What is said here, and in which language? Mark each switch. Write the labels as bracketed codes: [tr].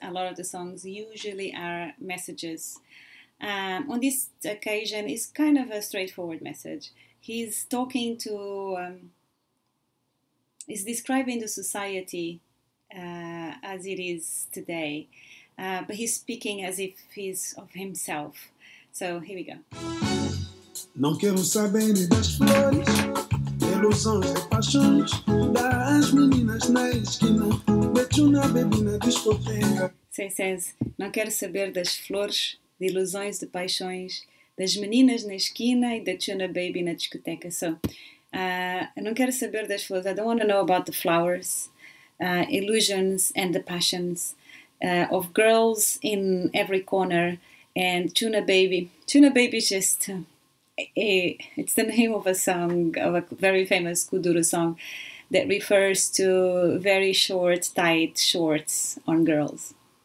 [en] A lot of the songs usually are messages. On this occasion, it's kind of a straightforward message. He's talking to, he's describing the society as it is today, but he's speaking as if he's of himself. So here we go. [pt] Não quero saber das flores, ilusões e paixões, das meninas na esquina, beijo na bebida discoteca. [en] So he says, [pt] não quero saber das flores, de ilusões, de paixões, das meninas na esquina e da tuna baby na discoteca. So, eu não quero saber das flores. [en] I don't want to know about the flowers, illusions and the passions of girls in every corner and tuna baby. Tuna baby is just, it's the name of a song, of a very famous Kuduro song that refers to very short, tight shorts on girls.